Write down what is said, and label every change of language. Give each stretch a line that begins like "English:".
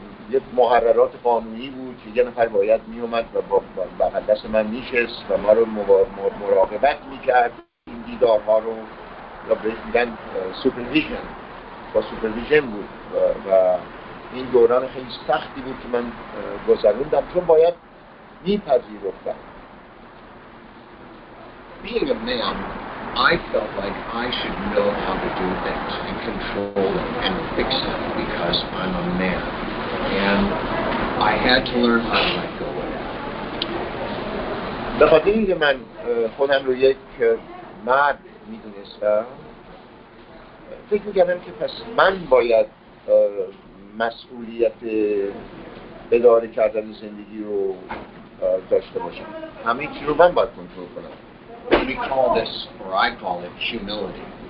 Persian: یک مقررات قانونی بود که یه نفر باید میومد و با بغل دست من میشست و ما رو مراقبت میکرد این دیدارها رو و بهش میگن سوپرویژن با سوپرویژن بود و این دوران خیلی سختی بود که من گذروندم چون باید میپذیرفتم.
English: Being a man, I felt like I should know how to do things and control them and fix them because I'm a man and I had to learn how to let go of it.
Persian: به خاطر اینکه من خودم رو یک مرد میدونستم فکر میکردم که پس من باید مسئولیت اداره کردن زندگی رو داشته باشم. همه چی رو من باید کنترل کنم.
English: We call this, or I call it, humility.